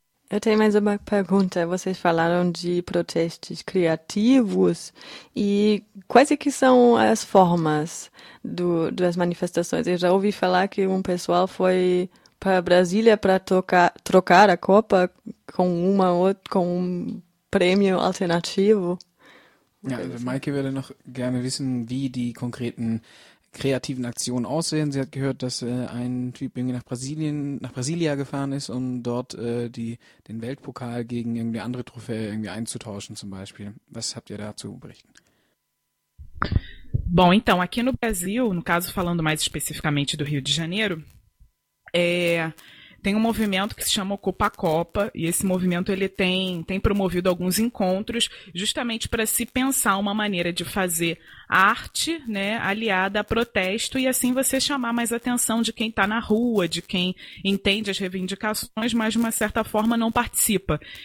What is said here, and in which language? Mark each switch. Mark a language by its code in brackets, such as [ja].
[pt] Eu tenho mais uma pergunta. Vocês falaram de protestos criativos e quais é que são as formas das manifestações? Eu já ouvi falar que um pessoal foi para Brasília para trocar a Copa com uma outra, com um prêmio alternativo. [de] Ja, Maike würde noch gerne wissen, wie die konkreten kreativen Aktionen aussehen. Sie hat gehört, dass ein Typ irgendwie nach Brasilia gefahren ist, um dort den Weltpokal gegen irgendwie andere Trophäe irgendwie einzutauschen, zum Beispiel. Was habt ihr dazu berichten? [pt] Bom, então, aqui no Brasil, no caso falando mais especificamente do Rio de Janeiro, tem um movimento que se chama Copa Copa, e esse movimento ele tem promovido alguns encontros justamente para se pensar uma maneira de fazer arte, né, aliada a protesto, e assim você chamar mais atenção de quem está na rua, de quem entende as reivindicações, mas de uma certa forma não participa.